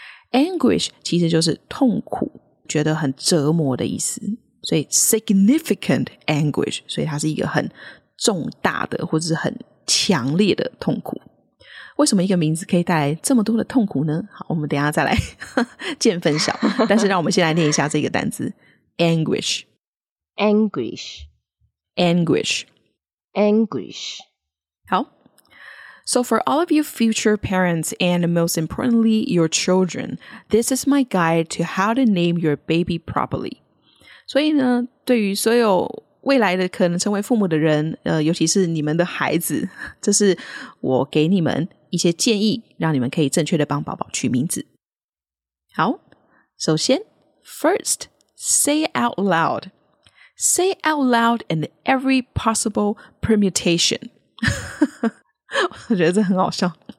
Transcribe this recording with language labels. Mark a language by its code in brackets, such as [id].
[zh] Anguish 其实就是痛苦，觉得很折磨的意思，所以 [en] significant anguish， [zh] 所以它是一个很重大的或者是很强烈的痛苦。为什么一个名字可以带来这么多的痛苦呢？好，我们等一下再来见分晓。但是让我们先来念一下这个单字 anguish [en] anguish anguish anguish。好， So for all of you future parents and most importantly your children, this is my guide to how to name your baby properly. [zh] 所以呢，对于所有未来的可能成为父母的人，尤其是你们的孩子，这是我给你们一些建议，让你们可以正确的帮宝宝取名字。好，首先 first [en] say out loud. Say out loud in every possible permutation. [zh] 我觉得这很好笑。